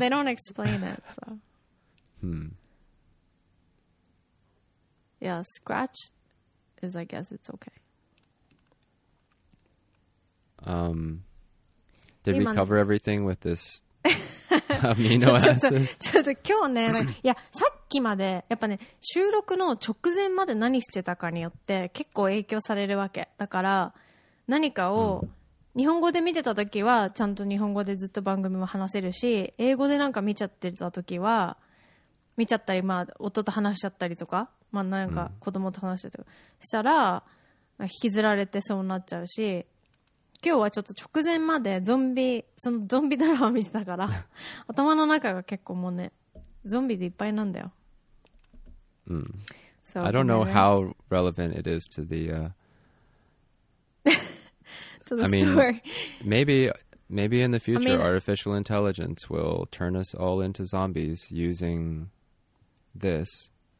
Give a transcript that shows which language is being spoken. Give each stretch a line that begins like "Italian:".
English: they don't explain it, so... Yeah, scratch is, I guess, it's okay. Did we cover everything with this amino acid?
Japanese: ちょっと今日ね、さっきまで、やっぱね、収録の直前まで何してたかによって結構影響されるわけ。だから、何かを日本語で見てたときは、ちゃんと日本語でずっと番組も話せるし、英語でなんか見ちゃってたときは、見ちゃったり、まあ、夫と話しちゃったりとか、まあ、なんか子供と話したりとかしたら、引きずられてそうなっちゃうし、今日はちょっと直前までゾンビ、そのゾンビドラマ見てたから、頭の中が結構もうね、ゾンビでいっぱいなんだよ。
English: So, I don't know how relevant it is to the, to the story. I mean, maybe in the future, artificial intelligence will turn us all into zombies using this.